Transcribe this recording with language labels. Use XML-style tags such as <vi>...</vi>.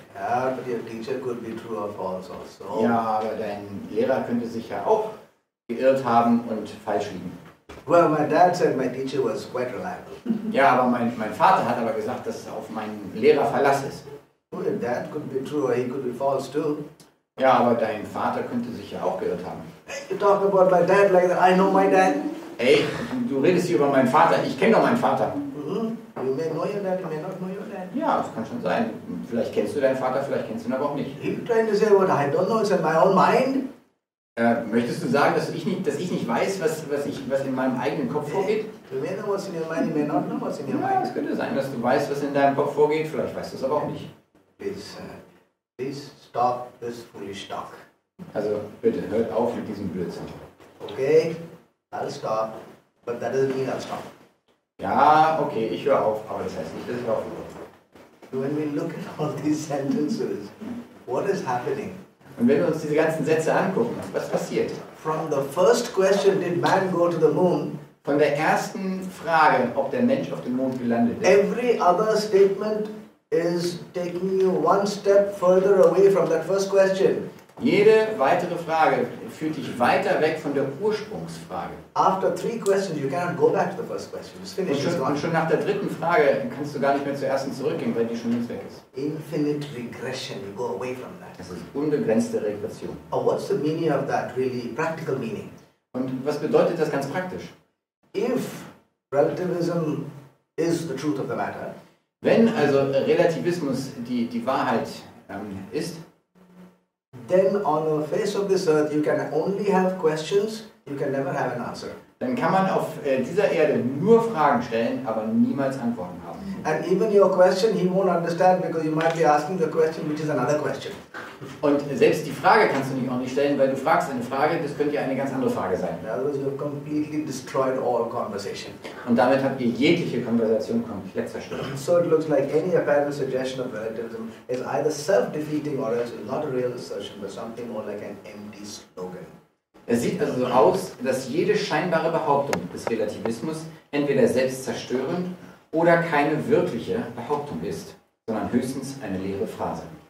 <en>Yeah, but your teacher could be true or false also.</en> <de>Ja, aber dein Lehrer könnte sich ja auch geirrt haben und falsch liegen.</de> <en>Well, my dad said my teacher was quite reliable.</en> <de>Ja, aber mein Vater hat aber gesagt, dass es auf meinen Lehrer Verlass ist.</de> <en>Well, your dad could be true or he could be false too.</en> <de>Ja, aber dein Vater könnte sich ja auch geirrt haben.</de> <en>You talk about my dad like that. I know my dad.</en> <de>Ey, du redest hier über meinen Vater. Ich kenne doch meinen Vater. Mm-hmm.</de> <en>You may know your dad, you may not know your dad.</en> <de>Ja, das kann schon sein. Vielleicht kennst du deinen Vater, vielleicht kennst du ihn aber auch nicht.</de> <en>You trying to say what I don't know, it's in my own mind?</en> <de>Möchtest du sagen, dass ich nicht weiß, was in meinem eigenen Kopf vorgeht?</de> <en>You may know what's in your mind, you may not know what's in your mind.</en> <de>Ja, es könnte sein, dass du weißt, was in deinem Kopf vorgeht, vielleicht weißt du es aber auch nicht.</de> <en>Please stop this foolish talk.</en> <de>Also, bitte, hört auf mit diesem Blödsinn.</de> <en>Okay, I'll stop, but that doesn't mean I'll stop.</en> <de>Ja, okay, ich höre auf, aber das heißt nicht, dass ich aufhöre.</de> <en>When we look at all these sentences, what is happening?</en> <de>Und wenn wir uns diese ganzen Sätze angucken, was passiert?</de> <en>From the first question, did man go to the moon?</en> <de>Von der ersten Frage, ob der Mensch auf dem Mond gelandet ist.</de> <en>Every other statement is taking you one step further away from that first question.</en> <de>Jede weitere Frage führt dich weiter weg von der Ursprungsfrage.</de> <en>After three questions, you cannot go back to the first question. It's finished.</en> <de>Und schon nach der dritten Frage kannst du gar nicht mehr zur ersten zurückgehen, weil die schon längst weg ist.</de> <en>Infinite regression, you go away from that.</en> <de>Das ist unbegrenzte Regression.</de> <en>Oh, what's the meaning of that, really practical meaning?</en> <de>Und was bedeutet das ganz praktisch?</de> <en>If relativism is the truth of the matter,</en> <de>wenn also Relativismus die Wahrheit ist,</de> <en>then on the face of this earth you can only have questions, you can never have an answer.</en> <de>Dann kann man auf dieser Erde nur Fragen stellen, aber niemals Antworten haben.</de> <en>And even your question he won't understand because you might be asking the question which is another question.</en> <de>Und selbst die Frage kannst du nicht auch nicht stellen, weil du fragst eine Frage, das könnte ja eine ganz andere Frage sein.</de> <en>In other words, you have completely destroyed all conversation.</en> <de>Und damit habt ihr jegliche Konversation komplett zerstört.</de> <en>So it looks like any apparent suggestion of relativism is either self-defeating or else not a real assertion, but something more like an empty slogan.</en> <de>Es sieht also so aus, dass jede scheinbare Behauptung des Relativismus entweder selbstzerstörend oder keine wirkliche Behauptung ist, sondern höchstens eine leere Phrase.</de>